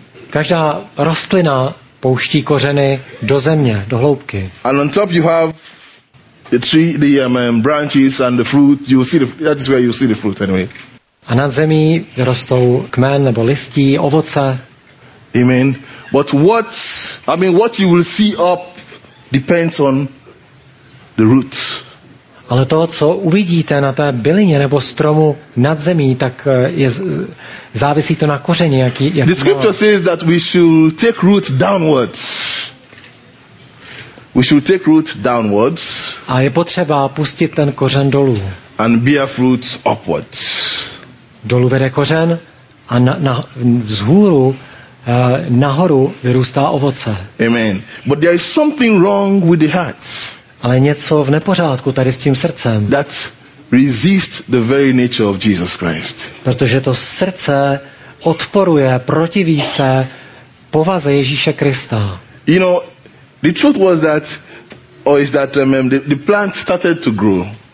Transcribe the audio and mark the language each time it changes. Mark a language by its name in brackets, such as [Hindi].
[Czech] Každá rostlina pouští kořeny do země, do hloubky. [English] And on top you have the tree, the branches and the fruit. You see, that is where you see the fruit anyway. [Czech] A nad zemí rostou kmen nebo listí, ovoce. Amen. [English] But what you will see up depends on the roots. [Czech] Ale to, co uvidíte na té bylině nebo stromu nad zemí, tak je závisí to na kořeni, jaký [English] The scripture says that we should take root downwards. We should take root downwards. [Czech] A je potřeba pustit ten kořen dolů. [English] And bear fruits upwards. [Czech] Dolů vede kořen a na vzhůru, nahoru vyrůstá ovoce. Amen. [English] But there is something wrong with the heart. [Czech] Ale něco v nepořádku tady s tím srdcem. [English] That resists the very nature of Jesus Christ. [Czech] Protože to srdce odporuje, protiví se povaze Ježíše Krista. [English] You know, the truth was that, or is that the plant started to grow.